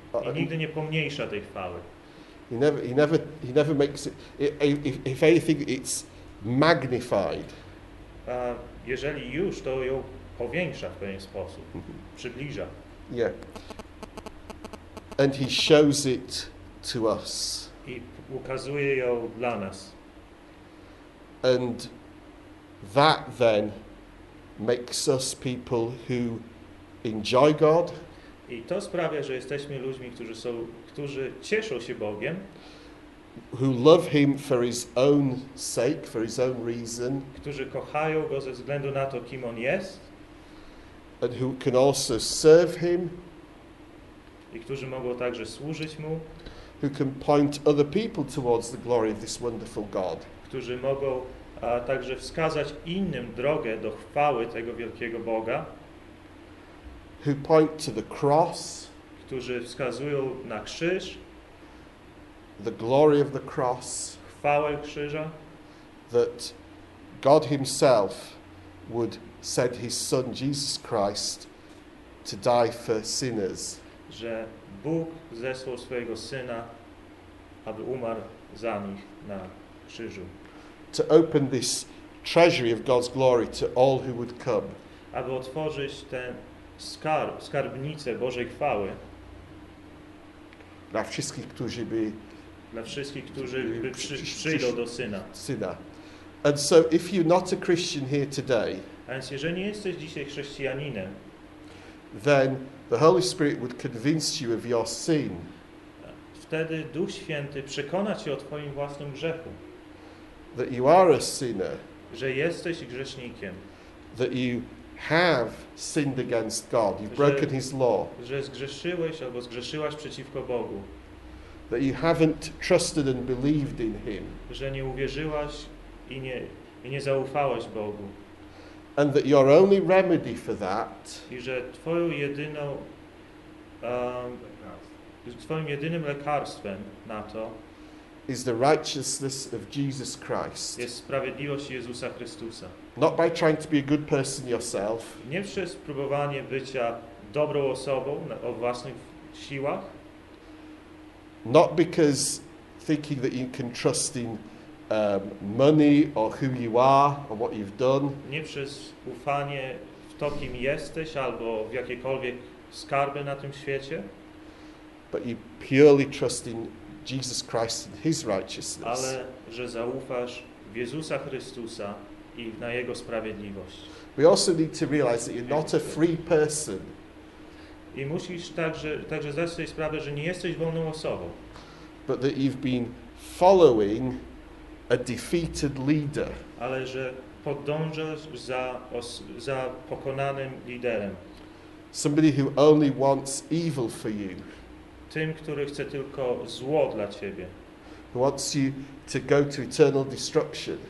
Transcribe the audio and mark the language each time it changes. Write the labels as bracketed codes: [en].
[pl] I nigdy nie pomniejsza tej chwały. [en] He never makes it, if anything, it's magnified. [pl] Jeżeli już, to ją powiększa w pewien sposób, przybliża. [en] Yeah. And he shows it to us. [pl] I ukazuje ją dla nas. [en] And that then makes us people who enjoy God. [pl] I to sprawia, że jesteśmy ludźmi, którzy cieszą się Bogiem. [en] Who love him for his own sake, for his own reason. [pl] Którzy kochają go ze względu na to, kim on jest. [en] And who can also serve him. [pl] I którzy mogą także służyć mu. [en] Who can point other people towards the glory of this wonderful God. [pl] Którzy mogą także wskazać innym drogę do chwały tego wielkiego Boga. [en] Who point to the cross. [pl] Którzy wskazują na krzyż. [en] The glory of the cross. [pl] Chwałę krzyża. [en] That God himself would send his son Jesus Christ to die for sinners. [pl] Że Bóg zesłał swojego syna, aby umarł za nich na krzyżu. [en] To open this treasury of God's glory to all who would come. [pl] Aby otworzyć tę skarbnicę Bożej chwały. Dla wszystkich, którzy przyjdą do Syna. [en] And so if you're not a Christian here today. [pl] A więc jeżeli nie jesteś dzisiaj chrześcijaninem. [en] Then the Holy Spirit would convince you of your sin. [pl] Wtedy Duch Święty przekona cię o twoim własnym grzechu. [en] That you are a sinner. [pl] Że jesteś grzesznikiem. [en] That you have sinned against God. You've broken his law. [pl] Że zgrzeszyłeś albo zgrzeszyłaś przeciwko Bogu. [en] That you haven't trusted and believed in him. [pl] Że nie uwierzyłaś i nie zaufałaś Bogu. [en] And that your only remedy for that. [pl] I że twoim jedynym lekarstwem na to [en] is the righteousness of Jesus Christ. [pl] Jest sprawiedliwość Jezusa Chrystusa. [en] Not by trying to be a good person yourself. [pl] Nie przez próbowanie bycia dobrą osobą o własnych siłach. [en] Not because thinking that you can trust in money or who you are or what you've done. [pl] Nie przez ufanie w to, kim jesteś, albo w jakiekolwiek skarby na tym świecie. [en] But you purely trust in Jesus Christ and his righteousness. [pl] Ale że zaufasz w Jezusa Chrystusa i na jego sprawiedliwość. [en] We also need to realize that you're not a free person. [pl] I musisz także zdać sobie sprawę, że nie jesteś wolną osobą. [en] But that you've been following a defeated leader. [pl] Ale że podążasz za pokonanym liderem. [en] Somebody who only wants evil for you. [pl] Tym, który chce tylko zło dla ciebie. [en] Who wants you to go to eternal destruction.